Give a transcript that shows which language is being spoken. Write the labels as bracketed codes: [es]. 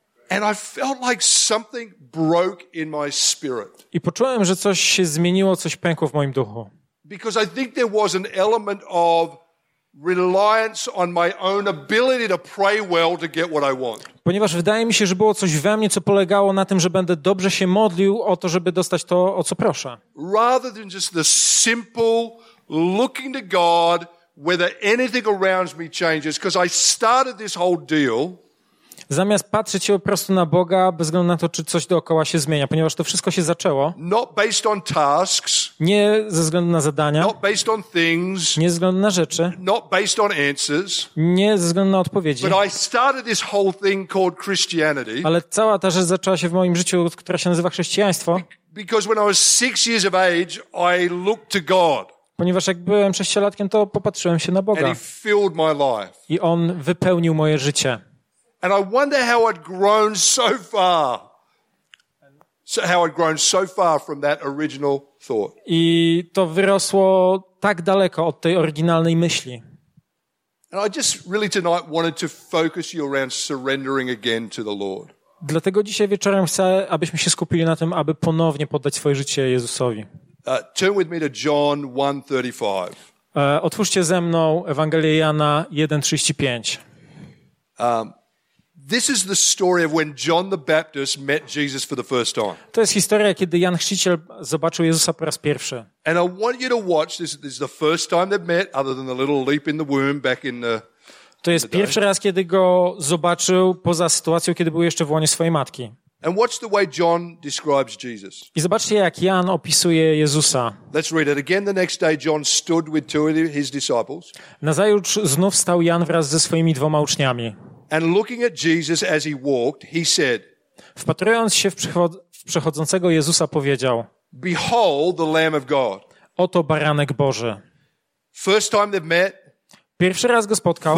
[en] And I felt like something broke in my spirit. [pl] I poczułem, że coś się zmieniło, coś pękło w moim duchu. [en] Because I think there was an element of reliance on my own ability to pray well to get what I want. [pl] Ponieważ wydaje mi się, że było coś we mnie, co polegało na tym, że będę dobrze się modlił o to, żeby dostać to, o co proszę. [en] Rather than just the simple looking to God whether anything around me changes, because I started this whole deal. [pl] Zamiast patrzeć po prostu na Boga, bez względu na to, czy coś dookoła się zmienia, ponieważ to wszystko się zaczęło. [en] Not based on tasks, [pl] nie ze względu na zadania. [en] Not based on things, [pl] nie ze względu na rzeczy. [en] Not based on answers, [pl] nie ze względu na odpowiedzi. [en] But I started this whole thing called Christianity, [pl] ale cała ta rzecz zaczęła się w moim życiu, która się nazywa chrześcijaństwo. [en] Because when I was 6 years of age, I looked to God. [pl] Ponieważ jak byłem 6-latkiem, to popatrzyłem się na Boga. [en] And he filled my life. [pl] I On wypełnił moje życie. [en] And I wonder how I'd grown so far. So how I'd grown so far from that original thought. [pl] I to wyrosło tak daleko od tej oryginalnej myśli. [en] And I just really tonight wanted to focus you around surrendering again to the Lord. [pl] Dlatego dzisiaj wieczorem chcę, abyśmy się skupili na tym, aby ponownie poddać swoje życie Jezusowi. [en] Turn with me to John 1:35. [pl] Otwórzcie ze mną Ewangelię Jana 1:35. [en] This is the story of when John the Baptist met Jesus for the first time. [pl] To jest historia, kiedy Jan Chrzciciel zobaczył Jezusa po raz pierwszy. [en] And I want you to watch this. This is the first time they've met, other than the little leap in the womb back in the. [pl] To jest pierwszy raz, kiedy go zobaczył poza sytuacją, kiedy był jeszcze w łonie swojej matki. [en] And watch the way John describes Jesus. [pl] I zobaczcie, jak Jan opisuje Jezusa. [en] Let's read it again. The next day, John stood with two of his disciples. [pl] Nazajutrz znów stał Jan wraz ze swoimi dwoma uczniami. [en] And looking at Jesus as he walked, he said. [pl] Wpatrując się w przechodzącego Jezusa, powiedział. [en] Behold, the Lamb of God. [pl] Oto baranek Boży. [en] First time they've met. [pl] Pierwszy raz go spotkał.